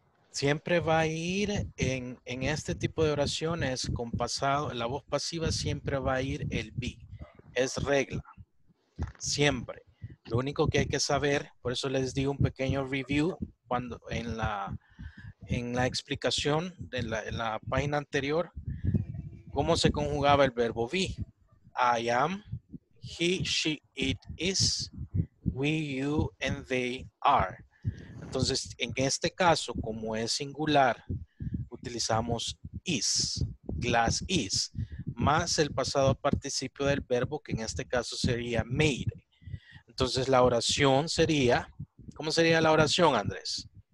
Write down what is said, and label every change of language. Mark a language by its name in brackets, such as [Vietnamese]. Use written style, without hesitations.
[Spanish] Siempre va a ir en este tipo de oraciones con pasado, la voz pasiva siempre va a ir el be. Es regla. Siempre. Lo único que hay que saber, por eso les di un pequeño review cuando en la explicación de la página anterior, cómo se conjugaba el verbo be. [English] I am, he, she, it, is, we, you, and they are. [Spanish] Entonces, en este caso, como es singular, utilizamos is, glass is, más el pasado participio del verbo, que en este caso sería made. Entonces, la oración sería, ¿cómo sería la oración, Andrés?